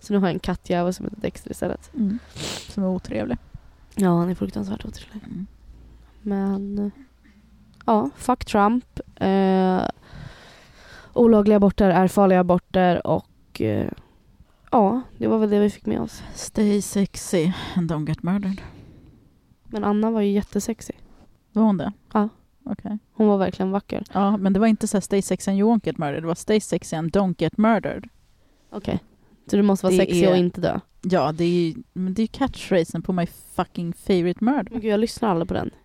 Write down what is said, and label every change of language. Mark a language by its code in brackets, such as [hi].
[sv] Så nu har jag en kattjävel som heter Dexter istället. Mm. Som är otrevlig. Ja, han är fruktansvärt otrevlig. Mm. Men, ja, fuck Trump. Olagliga aborter är farliga aborter. Och ja, det var väl det vi fick med oss. [en] Stay sexy and don't get murdered. [sv] Men Anna var ju jättesexy. Var hon det? Ja. Okay. Hon var verkligen vacker. Ja, men det var inte så här [en] stay sexy and you won't get murdered. [sv] Det var [en] stay sexy and don't get murdered. [sv] Okej. Okay. Så du måste vara det sexy är... och inte dö. Ja, det är ju det är catchphrasen på my fucking favorite murder. Men gud, jag lyssnar aldrig på den.